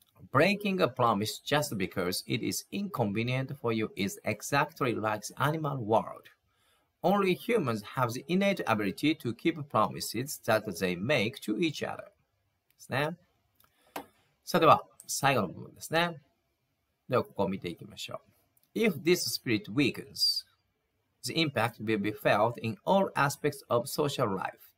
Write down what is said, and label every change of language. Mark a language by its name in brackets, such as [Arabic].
[English] breaking a promise just because it is inconvenient for you is exactly like the animal world. Only humans have the innate ability to keep promises that they make to each other. [Japanese] ですね。さあでは最後の部分ですね。ではここを見ていきましょう。 [English] if this spirit weakens,The impact will be felt in all aspects of social life.